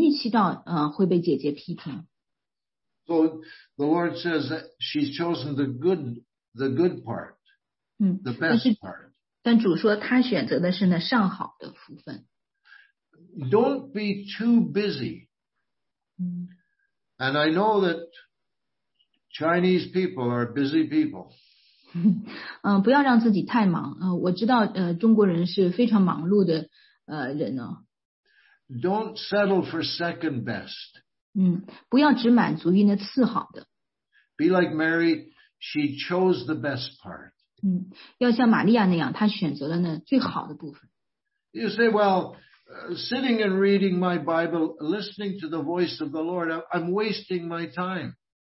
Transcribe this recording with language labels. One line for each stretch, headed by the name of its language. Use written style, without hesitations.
Chinese: 然后我们从这经文里可以读出这样的意思，就是玛利亚她是主动选择离开她姐姐，离开这个做饭的服侍，来坐在耶稣的脚前听到的，她可能已经预期到会被姐姐批评。
English: So the Lord says that she's chosen the good part, the best part.
Chinese: 但主说他选择的是呢上好的福分。
English: Don't be too busy. And I know that Chinese people are busy people.
Chinese: 不要让自己太忙，我知道中国人是非常忙碌的人呢。
English: Don't settle for second best.
Chinese: 不要只满足于那次好的。
English: Be like Mary, she chose the best part.
Chinese: 要像玛利亚那样，她选择了呢最好的部分。
English: You say, well, sitting and reading my Bible, listening to the voice of the Lord, I'm wasting my time.